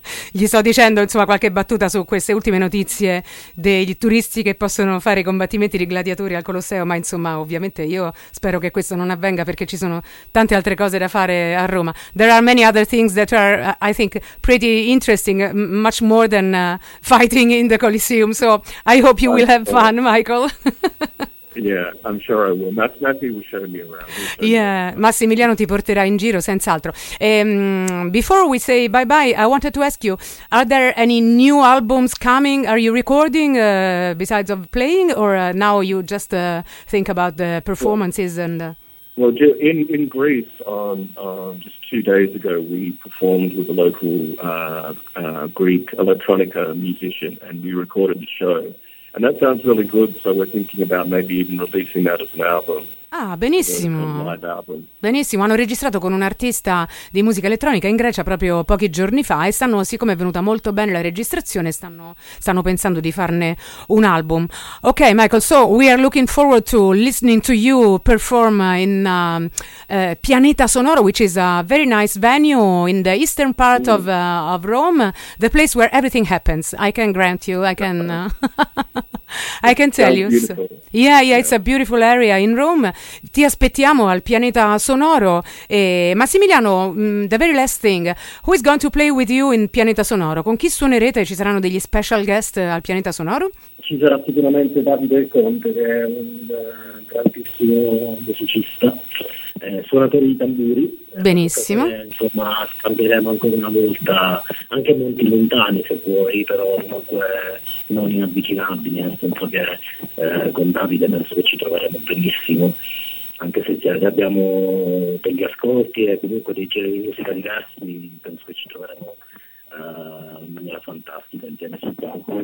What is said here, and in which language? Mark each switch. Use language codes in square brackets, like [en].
[it] Gli sto dicendo, insomma, qualche battuta su queste ultime notizie dei turisti che possono fare combattimenti di gladiatori al Colosseo, ma insomma, ovviamente io spero che questo non avvenga, perché ci sono tante altre cose da fare a Roma. [en] There are many other things that are, I think, pretty interesting, much more than fighting in the Colosseum, so I hope you will have fun, Michael. Yeah, I'm sure I will. Matthew will show me around. [it] Massimiliano ti porterà in giro, senz'altro. [en] Before we say bye-bye, I wanted to ask you, are there any new albums coming? Are you recording besides of playing? Or now you just think about the performances? In Greece, just 2 days ago, we performed with a local Greek electronica musician, and we recorded the show. And that sounds really good, so we're thinking about maybe even releasing that as an album. [it] Ah, benissimo. Benissimo, hanno registrato con un artista di musica elettronica in Grecia proprio pochi giorni fa e stanno, siccome è venuta molto bene la registrazione, stanno pensando di farne un album. [en] Ok, Michael, so we are looking forward to listening to you perform in Pianeta Sonoro, which is a very nice venue in the eastern part of Rome, the place where everything happens. I can tell you. So, yeah, it's a beautiful area in Rome. [it] Ti aspettiamo al Pianeta Sonoro. [en] Massimiliano, the very last thing. Who is going to play with you in Pianeta Sonoro? [it] Con chi suonerete? Ci saranno degli special guest al Pianeta Sonoro? Ci sarà sicuramente Davide Conte, che è un grandissimo musicista, suonatore di tamburi. Benissimo. Insomma, scambieremo ancora una volta anche monti lontani, se vuoi, però comunque non inavvicinabili, nel senso che con Davide penso che ci troveremo benissimo, anche se abbiamo degli ascolti e comunque dei generi di musica diversi, penso che ci troveremo in maniera fantastica insieme sul palco.